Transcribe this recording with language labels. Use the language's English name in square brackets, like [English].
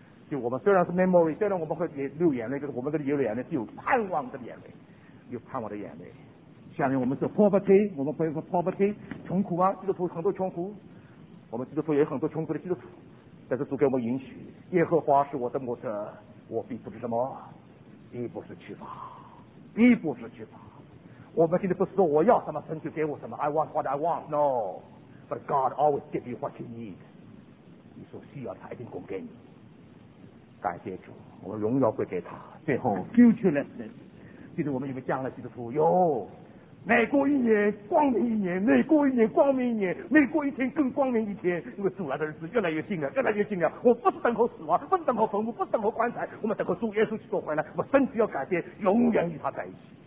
[Chinese] 就我们虽然是 memory， 虽然我们会流眼泪，就是我们的流眼泪是有盼望的眼泪，有盼望的眼泪。下面我们是 poverty， 我们会说 poverty， 穷苦啊，基督徒很多穷苦，我们基督徒也有很多穷苦的基督徒，但是主给我们允许，耶和华是我的牧者，我并不是什么，并不是缺乏，并不是缺乏。我们现在不是说我要什么神就给我什么 ， [English] I want what I want， [Chinese] no， [English] but God always give you what you need， [Chinese] 你所需要他一定供给你。感谢主，我荣耀归给他。最后 ，futureness， 就是我们有没有将来基督徒有？每过一年光明一年，每过一年光明一年，每过一天更光明一天，因为主来的日子越来越近了，越来越近了。我不是等候死亡，不是等候坟墓，不是等候棺材，我们等候主耶稣基督回来，我身体要改变，永远与他在一起。